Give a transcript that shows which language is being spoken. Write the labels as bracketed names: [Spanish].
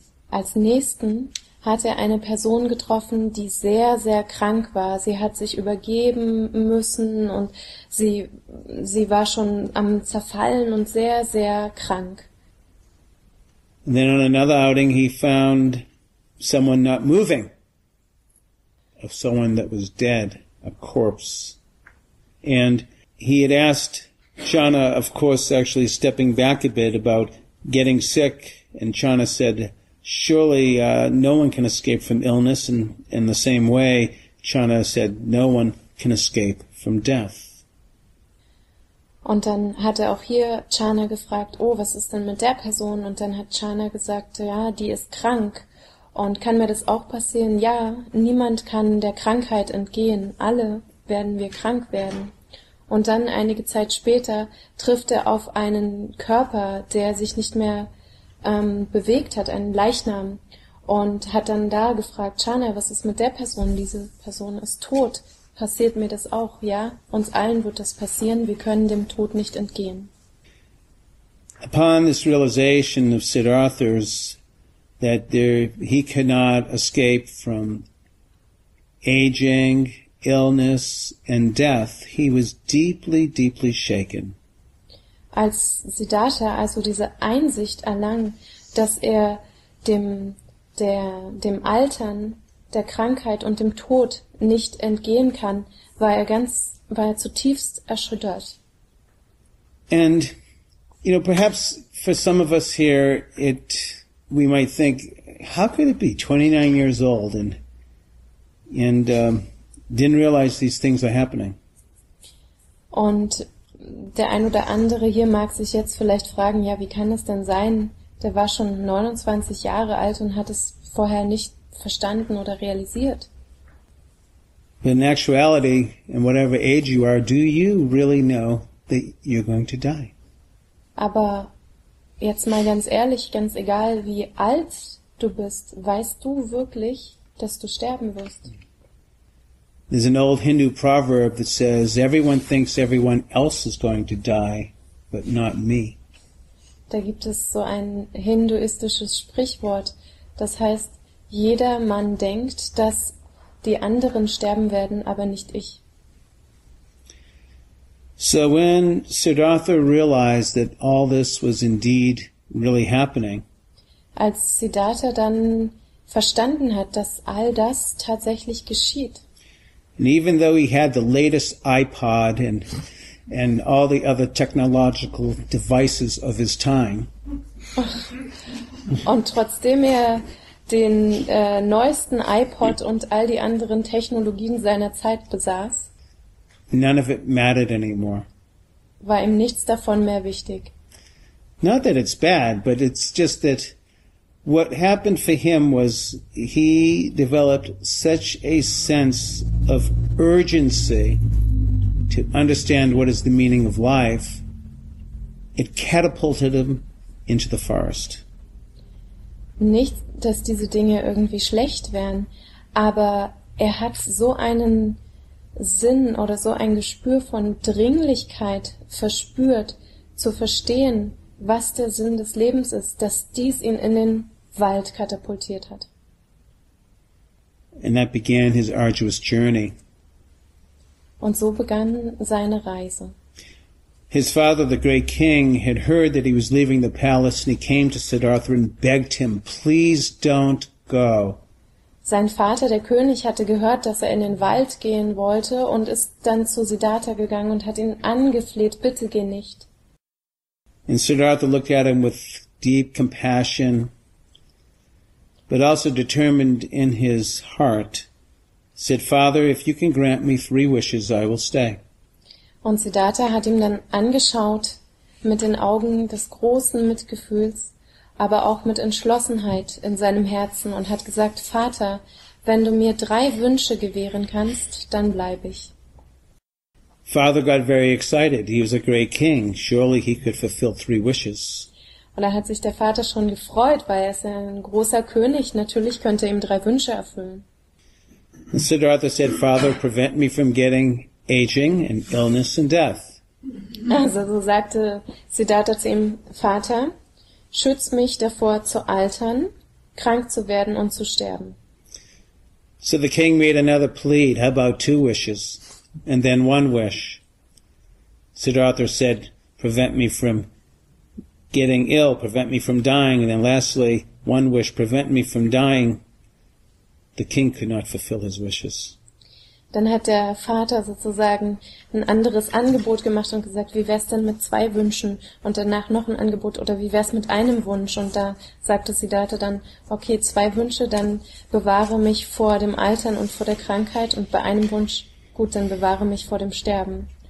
[German] Als nächsten hat eine Person getroffen, die sehr, sehr krank war. Sie hat sich übergeben müssen und sie war schon am Zerfallen und sehr, sehr krank. [English] And then on another outing he found someone not moving. Of someone that was dead, a corpse. And he had asked Chana, of course, actually stepping back a bit about getting sick, and Chana said, surely no one can escape from illness, and in the same way, Chana said, no one can escape from death. [German] Und dann hat auch hier Chana gefragt, oh, was ist denn mit der Person? Und dann hat Chana gesagt, ja, die ist krank. Und kann mir das auch passieren? Ja, niemand kann der Krankheit entgehen. Alle werden wir krank werden. Und dann, einige Zeit später, trifft auf einen Körper, der sich nicht mehr bewegt hat, einen Leichnam, und hat dann da gefragt, Chana, was ist mit der Person? Diese Person ist tot. Passiert mir das auch? Ja, uns allen wird das passieren. Wir können dem Tod nicht entgehen. [English] Upon this realization of Siddhartha's that he cannot escape from aging, illness, and death, he was deeply, deeply shaken. [German] Als Siddhartha also diese Einsicht erlangt, dass dem Altern, der Krankheit und dem Tod nicht entgehen kann, war er zutiefst erschüttert. [English] And, you know, perhaps for some of us here, we might think, how could it be 29 years old and didn't realize these things are happening? [German] Und der ein oder andere hier mag sich jetzt vielleicht fragen, ja, wie kann es denn sein? Der war schon 29 Jahre alt und hat es vorher nicht verstanden oder realisiert. [English] But in actuality, in whatever age you are, do you really know that you're going to die? [German] Aber jetzt mal ganz ehrlich, ganz egal, wie alt du bist, weißt du wirklich, dass du sterben wirst? [English] There's an old Hindu proverb that says, everyone thinks everyone else is going to die, but not me. [German] Da gibt es so ein hinduistisches Sprichwort, das heißt, jeder Mann denkt, dass die anderen sterben werden, aber nicht ich. [English] So when Siddhartha realized that all this was indeed really happening, [German] als Siddhartha dann verstanden hat, dass all das tatsächlich geschieht, [English] and even though he had the latest iPod and all the other technological devices of his time, [German] und trotzdem den neuesten iPod und all die anderen Technologien seiner Zeit besaß, [English] none of it mattered anymore. [German] War ihm nichts davon mehr wichtig. [English] Not that it's bad, but it's just that what happened for him was he developed such a sense of urgency to understand what is the meaning of life, it catapulted him into the forest. [German] Nicht, dass diese Dinge irgendwie schlecht wären, aber er hat so einen Sinn oder so ein Gespür von Dringlichkeit verspürt, zu verstehen, was der Sinn des Lebens ist, dass dies ihn in den Wald katapultiert hat. [English] And that began his arduous journey. [German] Und so begann seine Reise. [English] His father, the great king, had heard that he was leaving the palace, and he came to Siddhartha and begged him, "Please don't go." [German] Sein Vater, der König, hatte gehört, dass er in den Wald gehen wollte, und ist dann zu Siddhartha gegangen und hat ihn angefleht, bitte geh nicht. [English] And Siddhartha looked at him with deep compassion, but also determined in his heart, said, "Father, if you can grant me 3 wishes, I will stay." [German] Und Siddhartha hat ihm dann angeschaut mit den Augen des großen Mitgefühls, aber auch mit Entschlossenheit in seinem Herzen und hat gesagt, "Vater, wenn du mir 3 Wünsche gewähren kannst, dann bleibe ich." [English] Father got very excited. He was a great king. Surely he could fulfill 3 wishes. [German] Und dann hat sich der Vater schon gefreut, weil er ist ja ein großer König. Natürlich könnte er ihm 3 Wünsche erfüllen. [English] And Siddhartha said, "Father, prevent me from getting aging and illness and death." [German] Also so sagte Siddhartha zu ihm, "Vater, schütz mich davor zu altern, krank zu werden und zu sterben." [English] So the king made another plea, "How about 2 wishes and then 1 wish?" Siddhartha said, "Prevent me from getting ill, prevent me from dying, and then lastly, 1 wish, prevent me from dying." The king could not fulfill his wishes. [German] Dann hat der Vater sozusagen ein anderes Angebot gemacht und gesagt, wie wär's denn mit 2 Wünschen und danach noch ein Angebot, oder wie wär's mit 1 Wunsch? Und da sagte Siddhartha dann, okay, 2 Wünsche, dann bewahre mich vor dem Altern und vor der Krankheit, und bei 1 Wunsch, gut, dann bewahre mich vor dem Sterben.